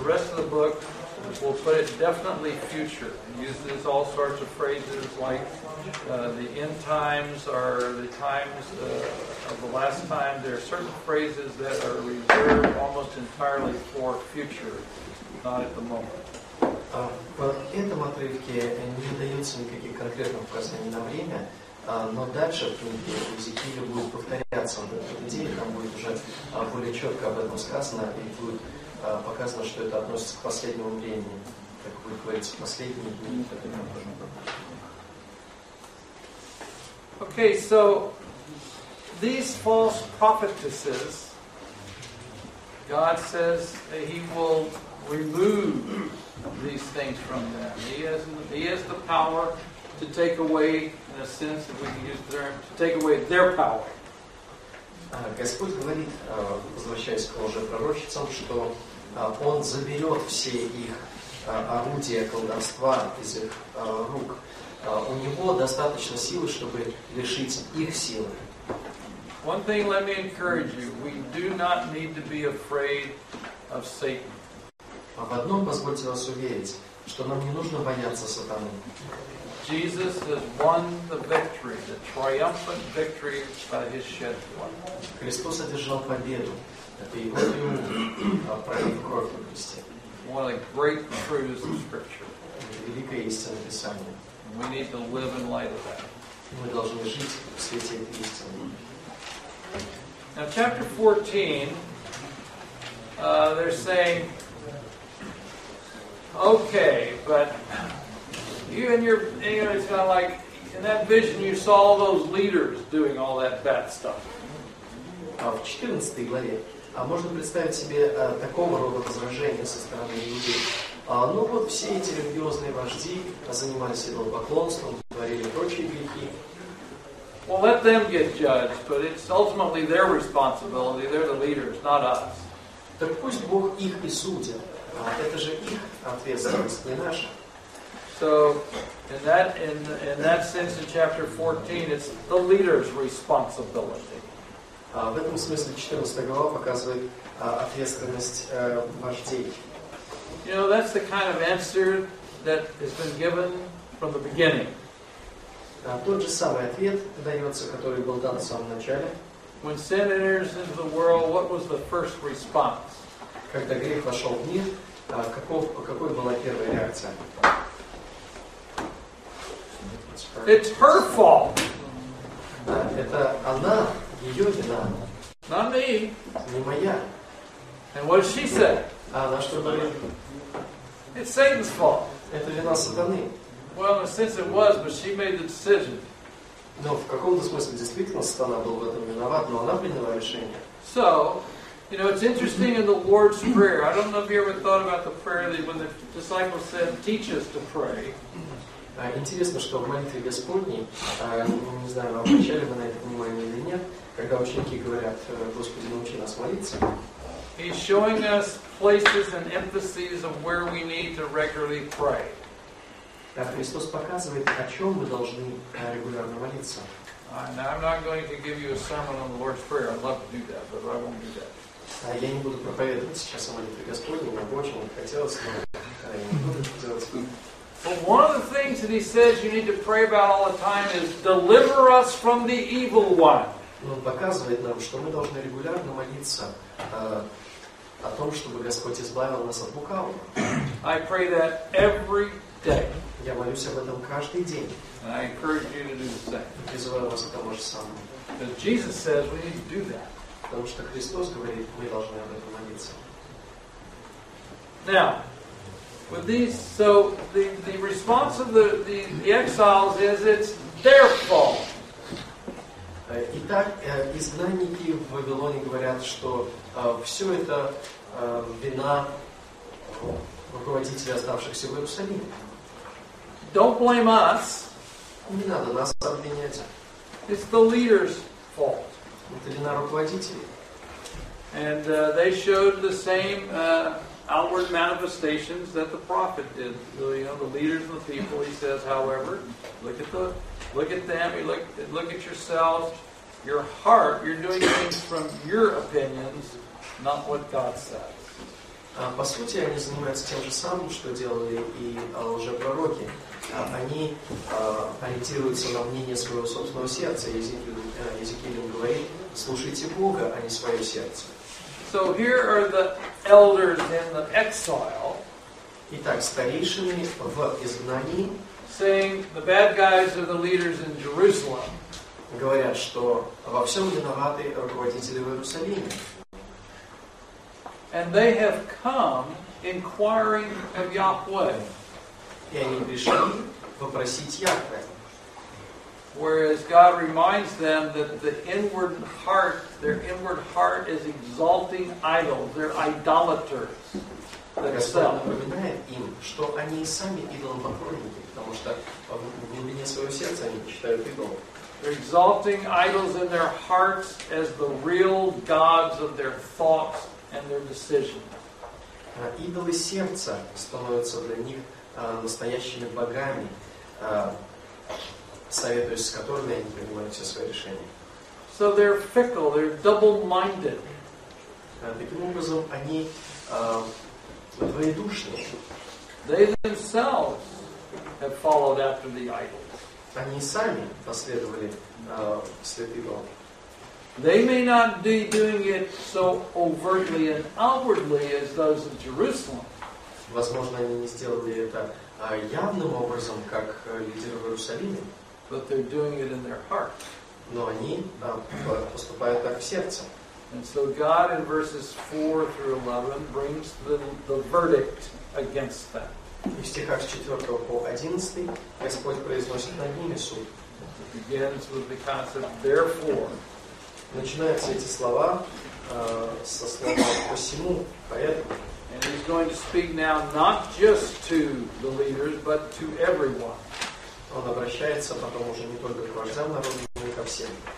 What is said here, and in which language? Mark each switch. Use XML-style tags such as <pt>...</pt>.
<en>The rest of the book, we'll put it definitely future. It uses all sorts of phrases like the end times are the times of the last time. There are certain phrases that are reserved almost entirely for future, not at the moment.</en> <ru>В этом отрывке не дается никаких конкретных указаний на время, но дальше в книге Иезекииля будет повторяться вот эта идея, там будет уже более четко об этом сказано, и будет показано, что это относится к последнему времени, как вы говорите, к последнему времени, которое мы можем пропустить.</ru> <en>Okay, so these false prophetesses, God says that he will remove these things from them. He has the power to take away, in a sense, if we can use the term, to take away their power.</en> <ru>Господь говорит, возвращаясь к лжепророчицам, что Он заберет все их орудия колдовства из их рук. У Него достаточно силы, чтобы лишить их силы.</ru> <en>One thing, let me encourage you. We do not need to be afraid of Satan.</en> <ru>В одном позвольте вас уверить, что нам не нужно бояться сатаны.</ru> <en>Jesus has won the victory, the triumphant victory by his shed blood.</en> <ru>Христос одержал победу. Это его имя, пролив кровь на кресте.</ru> <en>One of the great truths of Scripture.</en> <ru>Великая истина Писания.</ru> <en>We need to live in light of that.</en> <ru>Мы должны жить в свете этой истины.</ru> <en>Now, chapter 14, they're saying, okay, but he you and your, you know, it's kind of like in that vision you saw all those leaders doing all that bad stuff.</en> <ru>А в 14 главе можно представить себе такого рода возражение со стороны людей. Ну вот все эти религиозные вожди занимались идолопоклонством, творили прочие грехи.</ru> <en>Well, let them get judged, but it's ultimately their responsibility. They're the leaders, not us.</en> <ru>Так пусть Бог их и судит. Это же их ответственность, не наша.</ru> <en>So, in that sense, in chapter 14, it's the leader's responsibility.</en> <ru>В этом смысле 14 глава показывает ответственность вождей.</ru> <en>You know, that's the kind of answer that has been given from the beginning.</en> <ru>Тот же самый ответ дается, который был дан в самом начале.</ru> <en>When sin enters into the world, what was the first response?</en> <ru>Когда грех вошел в мир, какой была первая реакция?</ru> <en>It's her fault.</en> <ru>Это она, ее вина.</ru> <en>Not me.</en> <ru>Не моя.</ru> <en>And what does she say?</en> <ru>Она что говорит?</ru> <en>It's Satan's fault.</en> <ru>Это вина сатаны.</ru> <en>Well, in a sense it was, but she made the decision.</en> <ru>Но в каком-то смысле действительно сатана был в этом виноват, но она приняла решение.</ru> <en>So, you know, it's interesting in the Lord's Prayer. I don't know if you ever thought about the prayer that when the disciples said, teach us to pray.</en> <ru>Интересно, что в молитве Господней, не знаю, обращали вы на это внимание или нет, когда ученики говорят, Господи, научи нас молиться.</ru> <en>He's showing us places and emphases of where we need to regularly pray.</en> <ru>Христос показывает, о чем мы должны регулярно молиться.</ru> <en>Now, I'm not going to give you a sermon on the Lord's Prayer. I'd love to do that, but I won't do that.</en> <ru>Я не буду проповедовать сейчас о молитве Господней, мне бы очень хотелось, но я не буду это делать.</ru> <en>But one of the things that he says you need to pray about all the time is deliver us from the evil one.</en> <ru>Он показывает нам, что мы должны регулярно молиться о том, чтобы Господь избавил нас от лукавого.</ru> <en>I pray that every day.</en> <ru>Я молюсь об этом каждый день.</ru> <en>And I encourage you to do the same.</en> <ru>Призываю вас к тому же самому.</ru> <en>Because Jesus says we need to do that.</en> <ru>Потому что Христос говорит, мы должны об этом молиться.</ru> <en>Now, with these, so the response of the exiles is it's their fault.</en> <ru>Итак, изгнанники в Вавилоне говорят, что все это вина руководителей оставшихся в Иерусалиме.</ru> <en>Don't blame us.</en> <ru>Не надо нас обвинять.</ru> <en>It's the leader's fault.</en> <ru>Это вина руководителей.</ru> <en>And they showed the same outward manifestations that the prophet did. You know, the leaders and the people, he says, however, look at them, look at yourselves, your heart, you're doing things from your opinions, not what God says.</en> <ru>По сути, они занимаются тем же самым, что делали и лжепророки. Они ориентируются на мнение своего собственного сердца. Езекииль говорит, слушайте Бога, а не свое сердце.</ru> <en>So here are the elders in the exile.</en> <ru>Итак, старейшины в изгнании.</ru> <en>Saying the bad guys are the leaders in Jerusalem.</en> <ru>Говорят, что во всем виноваты руководители в Иерусалиме.</ru> <en>And they have come inquiring of Yahweh.</en> <ru>И они пришли попросить Яхве.</ru> <en>Whereas God reminds them that the inward heart, their inward heart is exalting idols, they're idolaters.</en> <ru>Господь напоминает им, что они сами идолопоклонники, потому что в глубине своего сердца они считают идол.</ru> <en>They're exalting idols in their hearts as the real gods of their thoughts and their decisions.</en> <ru>Идолы сердца становятся для них настоящими богами. Советуясь с которыми они принимают все свои решения.</ru> <en>So they're fickle, they're double-minded.</en> <ru>Таким образом, они двоедушны.</ru> <en>They themselves have followed after the idols.</en> <ru>Они сами последовали вслед идолам.</ru> <en>They may not be doing it so overtly and outwardly as those of Jerusalem.</en> <ru>Возможно, они не сделали это явным образом, как лидеры в Иерусалиме.</ru> <en>But they're doing it in their heart.</en> <ru>Но они поступают так в сердце.</ru> <en>And so God in verses 4 through 11 brings the verdict against them.</en> <ru>И в стихах с 4 по 11 Господь произносит над ними суд.</ru> <en>Begins with the concept, therefore.</en> <ru>Начинаются эти слова со слова «посему», «поэтому».</ru> <en>And he's going to speak now not just to the leaders, but to everyone.</en> <ru>Он обращается потом уже не только к вождям народа, но и ко всем.</ru>